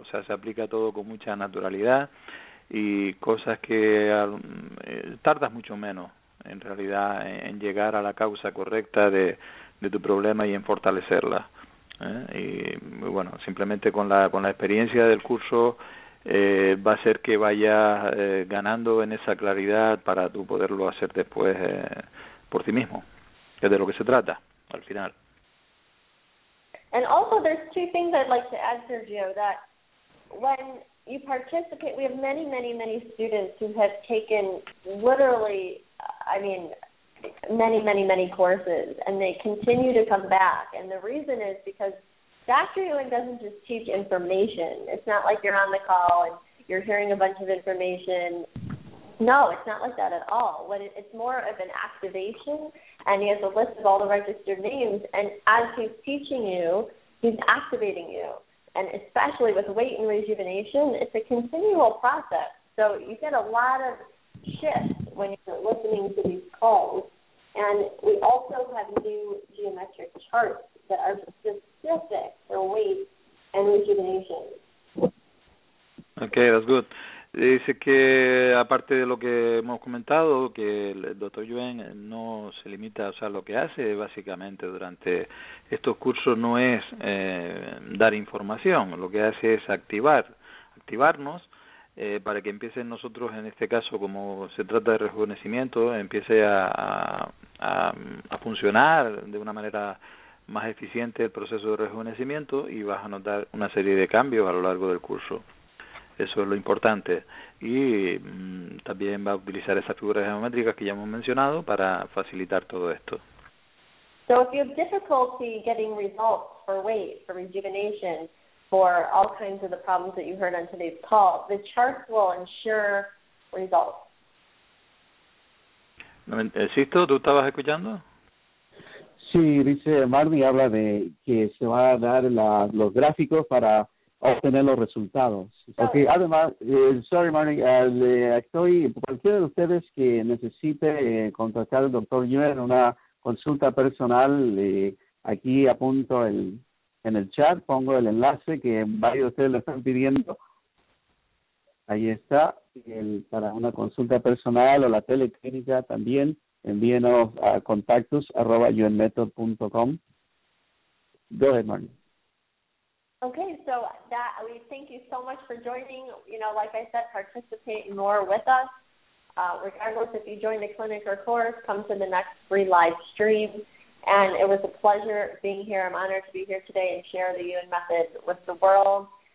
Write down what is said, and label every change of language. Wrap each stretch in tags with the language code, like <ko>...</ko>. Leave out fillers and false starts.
<es>O sea, se aplica todo con mucha naturalidad y cosas que tardas mucho menos, en realidad, en llegar a la causa correcta de tu problema y en fortalecerla. Y bueno, simplemente con la experiencia del curso va a ser que vayas ganando en esa claridad para tú poderlo hacer después por ti mismo, que es de lo que se trata al final.</es> <en>And also there's two things I'd like to add, Sergio, that when you participate, we have many, many, many students who have taken literally, I mean, many, many, many courses, and they continue to come back. And the reason is because Factory Ewing doesn't just teach information. It's not like you're on the call and you're hearing a bunch of information. No, it's not like that at all. It's more of an activation, and he has a list of all the registered names, and as he's teaching you, he's activating you. And especially with weight and rejuvenation, it's a continual process. So you get a lot of shifts when you're listening to these calls. And we also have new geometric charts that are specific for weight and rejuvenation. Okay, that's good.</en> <es>Dice que, aparte de lo que hemos comentado, que el doctor Yuen no se limita a lo que hace, básicamente, durante estos cursos no es dar información, lo que hace es activarnos para que empiecen nosotros, en este caso, como se trata de rejuvenecimiento, empiece a funcionar de una manera más eficiente el proceso de rejuvenecimiento y vas a notar una serie de cambios a lo largo del curso. Eso es lo importante. Y también va a utilizar esas figuras geométricas que ya hemos mencionado para facilitar todo esto.</es> <en>So if you have difficulty getting results for weight, for rejuvenation, for all kinds of the problems that you heard on today's call, the charts will ensure results.</en> <es>¿Sisto, tú estabas escuchando? Sí, dice Marvin, habla de que se va a dar los gráficos para obtener los resultados. Okay. Además, sorry, Marty, estoy, cualquiera de ustedes que necesite contactar al doctor Yuen en una consulta personal, aquí apunto en el chat, pongo el enlace que varios de ustedes lo están pidiendo. Ahí está, para una consulta personal o la teleclínica también, envíenos a contactos@yuenmethod.com.</es> <en>Go ahead, Marty. Okay, so that we thank you so much for joining. You know, like I said, participate more with us. Regardless if you join the clinic or course, come to the next free live stream. And it was a pleasure being here. I'm honored to be here today and share the Ewen Method with the world.</en>